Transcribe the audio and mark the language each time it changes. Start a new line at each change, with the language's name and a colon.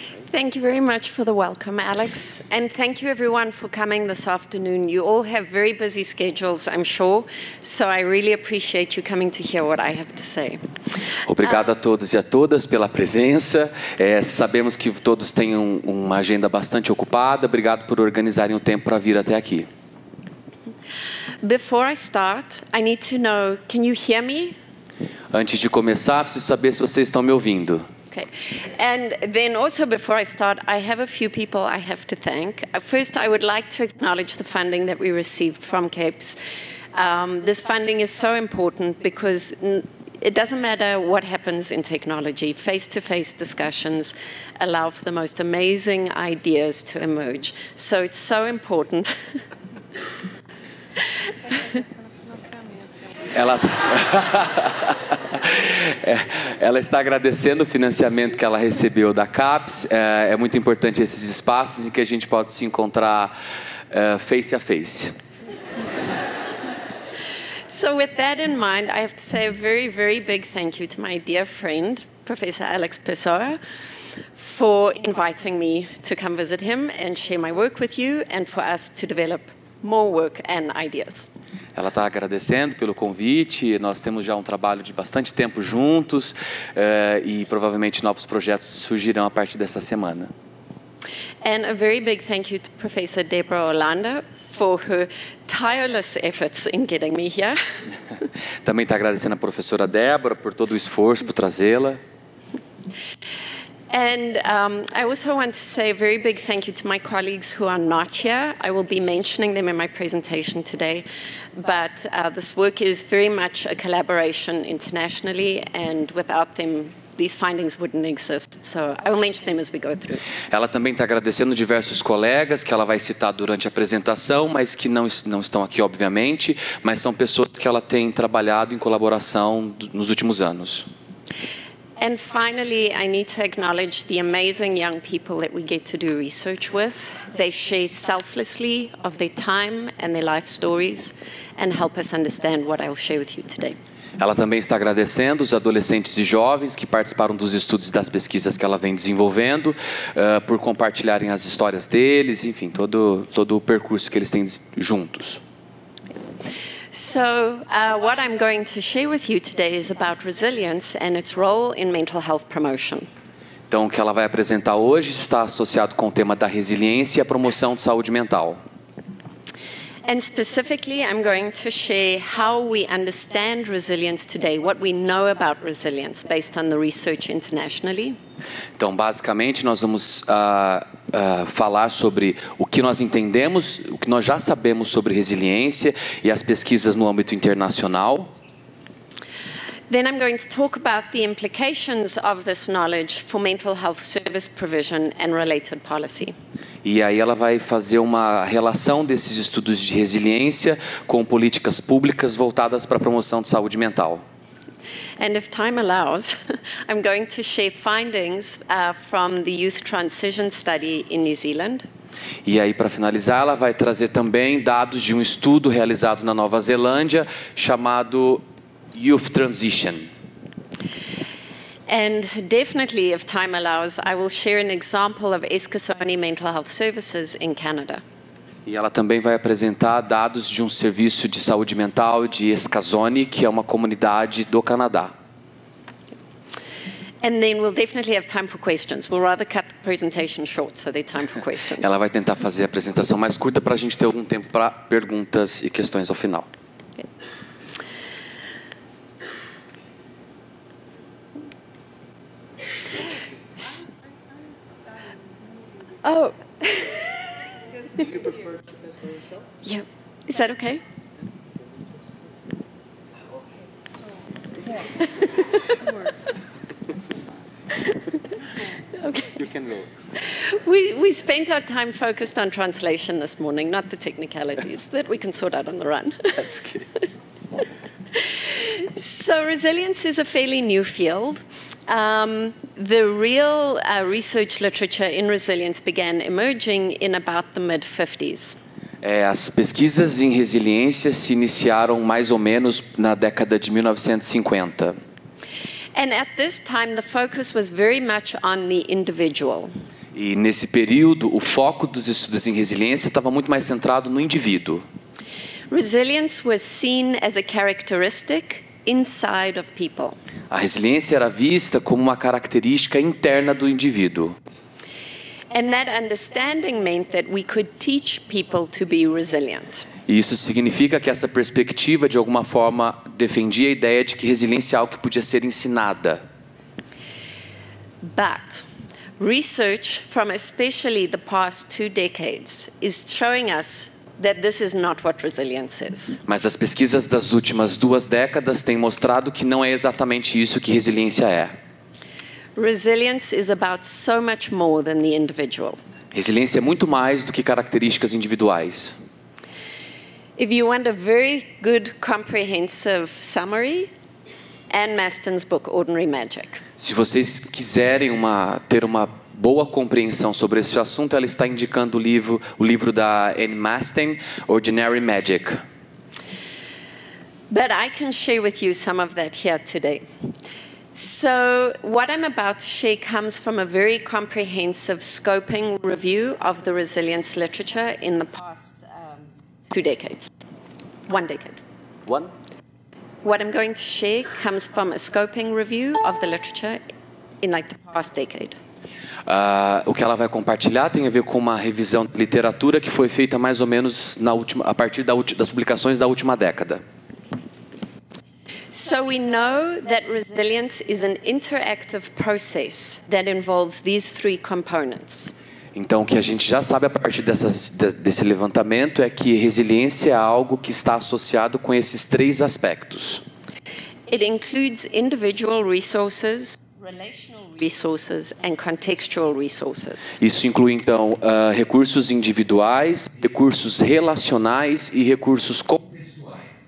English: Thank you very much for the welcome, Alex. And thank you, everyone, for coming this afternoon. You all have very busy schedules, I'm sure. So I really appreciate you coming to hear what I have to say.
Portuguese: Obrigado a todos e a todas pela presença. Sabemos que todos têm uma agenda bastante ocupada. Obrigado por organizarem o tempo para vir até aqui.
English: Before I start, I need to know, can you hear me?
Portuguese: Antes de começar, preciso saber se vocês estão me ouvindo.
English: And then also before I start, I have a few people I have to thank. First, I would like to acknowledge the funding that we received from CAPES. This funding is so important because it doesn't matter what happens in technology. Face-to-face discussions allow for the most amazing ideas to emerge. So it's so important.
Portuguese: Ela está agradecendo o financiamento que ela recebeu da CAPES. É muito importante esses espaços em que a gente pode se encontrar face a face.
English: So with that in mind, I have to say a very, very big thank you to my dear friend, Professor Alex Pessoa, for inviting me to come visit him and share my work with you and for us to develop more work and ideas.
Portuguese: Ela está agradecendo pelo convite, nós temos já um trabalho de bastante tempo juntos e provavelmente novos projetos surgirão a partir dessa semana.
English: And a very big thank you to Professor Deborah Orlando for her tireless efforts in getting me here.
Portuguese: Também está agradecendo a professora Débora por todo o esforço por trazê-la.
English: And I also want to say a very big thank you to my colleagues who are not here. I will be mentioning them in my presentation today. But this work is very much a collaboration internationally, and without them, these findings wouldn't exist. So I will mention them as we go through.
Portuguese: Ela também está agradecendo diversos colegas que ela vai citar durante a apresentação, mas que não estão aqui, obviamente, mas são pessoas que ela tem trabalhado em colaboração nos últimos anos.
English: And finally, I need to acknowledge the amazing young people that we get to do research with. They share selflessly of their time and their life stories and help us understand what I'll share with you today.
Portuguese: Ela também está agradecendo os adolescentes e jovens que participaram dos estudos e das pesquisas que ela vem desenvolvendo, por compartilharem as histórias deles, enfim, todo o percurso que eles têm juntos.
English: So, what I'm going to share with you today is about resilience and its role in mental health promotion.
Portuguese: Então, o que ela vai apresentar hoje está associado com o tema da resiliência e a promoção de saúde mental.
English: And specifically, I'm going to share how we understand resilience today, what we know about resilience based on the research internationally.
Portuguese: Então, basicamente, nós vamos falar sobre o que nós entendemos, o que nós já sabemos sobre resiliência e as pesquisas no âmbito internacional.
English: Then I'm going to talk about the implications of this knowledge for mental health service provision and related policy.
Portuguese: E aí ela vai fazer uma relação desses estudos de resiliência com políticas públicas voltadas para a promoção de saúde mental.
English: And if time allows, I'm going to share findings from the youth transition study in New Zealand.
Portuguese: E aí, para finalizar, ela vai trazer também dados de um estudo realizado na Nova Zelândia chamado Youth Transition.
English: And definitely, if time allows, I will share an example of Eskasoni Mental Health Services in Canada.
Portuguese: E ela também vai apresentar dados de um serviço de saúde mental de Eskasoni, que é uma comunidade do Canadá.
English: And then we'll definitely have time for questions. We'll rather cut the presentation short so there's time for questions.
Portuguese: Ela vai tentar fazer a apresentação mais curta para a gente ter algum tempo para perguntas e questões ao final. Oh.
English: Yeah. Is that okay? Okay. You can go. We spent our time focused on translation this morning, not the technicalities that we can sort out on the run. That's okay. So resilience is a fairly new field. The real research literature in resilience began emerging in about the mid-50s.
Portuguese: As pesquisas em resiliência se iniciaram mais ou menos na década de 1950.
English: And at this time, the focus was very much on the individual.
Portuguese: E nesse período, o foco dos estudos em resiliência estava muito mais centrado no indivíduo.
English: Resilience was seen as a characteristic inside of people.
Portuguese: A resiliência era vista como uma característica interna do indivíduo.
English: And that understanding meant that we could teach people to be resilient.
Portuguese: E isso significa que essa perspectiva, de alguma forma, defendia a ideia de que resiliência é algo que podia ser ensinada.
English: But research from especially the past two decades is showing us that this is not what resilience is.
Portuguese: Mas as pesquisas das últimas duas décadas têm mostrado que não é exatamente isso que resiliência é.
English: Resilience is about so much more than the individual.
Portuguese: Resiliência é muito mais do que características individuais.
English: If you want a very good comprehensive summary, Anne Maston's book Ordinary Magic.
Portuguese: Se vocês quiserem ter uma boa compreensão sobre esse assunto, ela está indicando o livro da Anne Maston, Ordinary Magic.
English: But I can share with you some of that here today. So what I'm about to share comes from a very comprehensive scoping review of the resilience literature in the past two decades. One decade. One? What I'm going to share comes from a scoping review of the literature in like the past decade.
Portuguese: O que ela vai compartilhar tem a ver com uma revisão de literatura que foi feita mais ou menos a partir das publicações da última década.
English: So we know that resilience is an interactive process that involves these three components.
Portuguese: Então, o que a gente já sabe a partir desse levantamento é que resiliência é algo que está associado com esses três aspectos.
English: It includes individual resources, relational resources and contextual resources.
Portuguese: Isso inclui então recursos individuais, recursos relacionais e recursos contextuais.